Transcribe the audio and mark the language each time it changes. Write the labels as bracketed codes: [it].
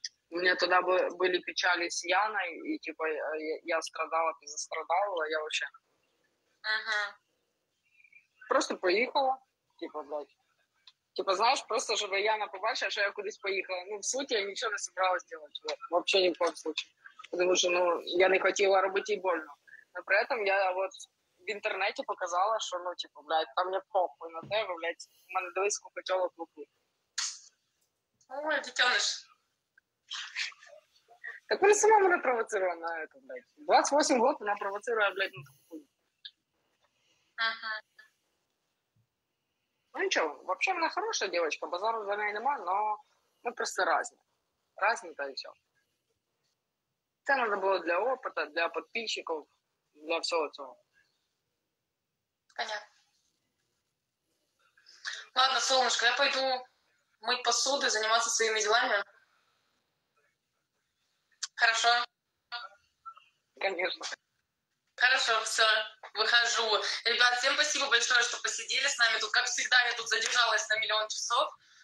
[ru] У меня тогда были печали с Яной, и типа я страдала, ты застрадала, я вообще... Просто поехала, типа, блядь. Типа, знаешь, просто чтобы Яна побачила, что я куда-то поехала. Ну, в сути, я ничего не собиралась делать, блядь. Вообще ни в коем случае. Потому что, ну, я не хотела работать ей больно. Но при этом я вот... [uk] В інтернеті показала, що, ну, типу, блядь, там я похуй на тебе, блядь, у мене дивись, скільки тілок в руку. Ой, дитяниш. Так вона сама мене провоцирує на це, блядь. 28 років вона провоцирує, блядь, на таку хуйню. Ну, нічого, взагалі вона хороша дівчинка, базару за неї нема, але ми просто різні. Різні та й все. Це треба було для опиту, для підписчиків, для всього цього. [ru] Понятно. Ладно, солнышко, я пойду мыть посуду и заниматься своими делами. Хорошо? Конечно. Хорошо, все, выхожу. Ребят, всем спасибо большое, что посидели с нами тут. Как всегда, я тут задержалась на миллион часов.